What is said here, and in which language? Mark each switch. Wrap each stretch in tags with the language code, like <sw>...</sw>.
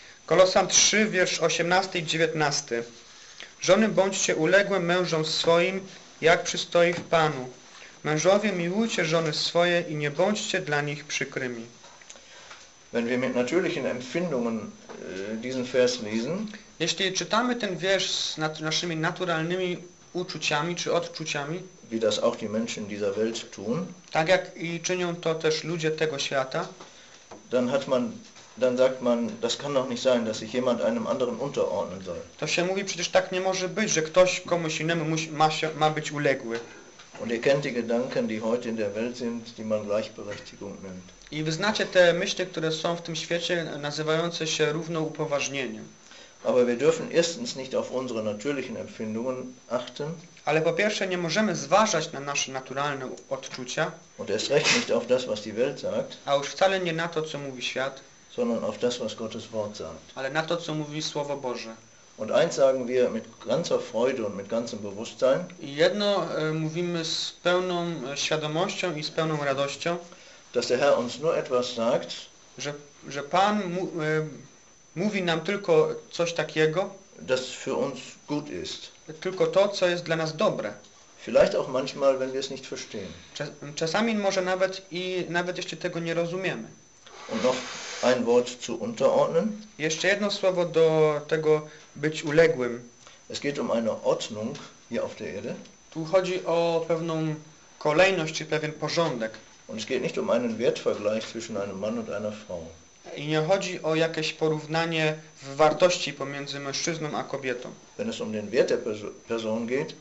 <pl>Kolosan 3, wiersz 18 i 19. Żony, bądźcie uległe mężom swoim, jak przystoi w Panu. Mężowie, miłujcie żony swoje i nie bądźcie dla nich przykrymi.</pl> <de>Wenn wir mit natürlichen Empfindungen diesen Vers lesen,</de> <pl>jeśli czytamy ten wiersz z naszymi naturalnymi uczuciami czy odczuciami.</pl> <de>Wie das auch die Menschen dieser Welt tun.</de> <pl>Tak jak i czynią to też ludzie tego świata.</pl> <de>Dann hat man, dann sagt man, das kann doch nicht sein, dass sich jemand einem anderen unterordnen soll.</de> <pl>To się mówi, przecież tak nie może być, że ktoś komuś innemu ma być uległy.</pl> <de>Und ihr kennt die Gedanken, die heute in der Welt sind, die man Gleichberechtigung nennt.</de> <pl>I wy znacie te myśli, które są w tym świecie, nazywające się równouprawnieniem.</pl> <de>Aber wir dürfen erstens nicht auf unsere natürlichen Empfindungen achten.</de> <pl>Ale po pierwsze, nie możemy zważać na nasze naturalne odczucia.</pl> <de>Und erst recht nicht auf das, was die Welt sagt.</de> <pl>A już wcale nie na to, co mówi świat.</pl> <de>Sondern auf das, was Gottes Wort sagt.</de> <pl>Ale na to, co mówi Słowo Boże.</pl> <de>Und eins sagen wir mit ganzer Freude und mit ganzem Bewusstsein.</de> <pl>I jedno mówimy z pełną świadomością i z pełną radością.</pl> <de>Dass der Herr uns nur etwas sagt.</de> <pl>Że Pan mówi nam tylko coś takiego.</pl> <de>Das für uns gut ist.</de> <pl>Tylko to, co jest dla nas dobre.</pl> <de>Vielleicht auch manchmal, wenn wir es nicht verstehen.</de> <pl>Czasami może nawet i nawet jeszcze tego nie rozumiemy.</pl> <de>Und noch ein Wort zu unterordnen.</de> <pl>Jeszcze jedno słowo do tego być uległym.</pl> <de>Es geht um eine Ordnung hier auf der Erde.</de> <pl>Tu chodzi o pewną kolejność czy pewien porządek.</pl> <de>Und es geht nicht um einen Wertvergleich zwischen einem Mann und einer Frau.</de> <pl>I nie chodzi o jakieś porównanie w wartości pomiędzy mężczyzną a kobietą.</pl> <de>Wenn es um den Wert der Person geht,</de>